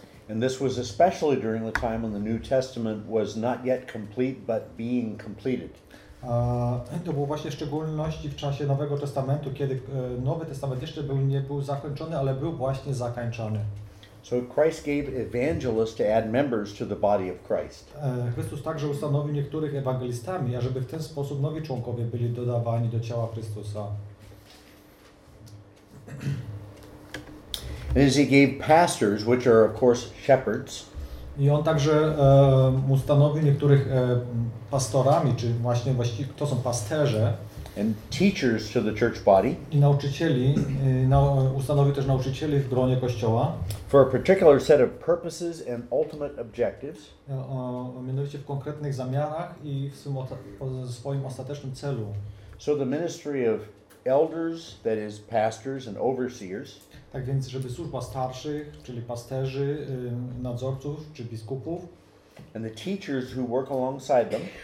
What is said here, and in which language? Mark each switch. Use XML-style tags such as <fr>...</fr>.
<en>And this was especially during the time when the New Testament was not yet complete, but being completed.</en> <pl>To było właśnie w szczególności w czasie Nowego Testamentu, kiedy Nowy Testament jeszcze nie był zakończony, ale był właśnie zakończony.</pl> <en>So Christ gave evangelists to add members to the body of Christ.</en> <pl>Chrystus także ustanowił niektórych ewangelistami, ażeby w ten sposób nowi członkowie byli dodawani do ciała Chrystusa.</pl> <en>And as he gave pastors, which are of course shepherds.</en> <pl>I on także ustanowił niektórych pastorami, czy właśnie to są pasterze.</pl> <en>and teachers to the church body.</en> <pl>I nauczycieli, ustanowił też nauczycieli w gronie kościoła.</pl> <en>For a particular set of purposes and ultimate objectives.</en> <pl>Mianowicie w konkretnych zamiarach i w swoim ostatecznym celu.</pl> <en>So the ministry of elders, that is pastors and overseers.</en> <pl>Tak więc, żeby służba starszych, czyli pasterzy, nadzorców czy biskupów.</pl> <en>And the teachers who work alongside them.</en>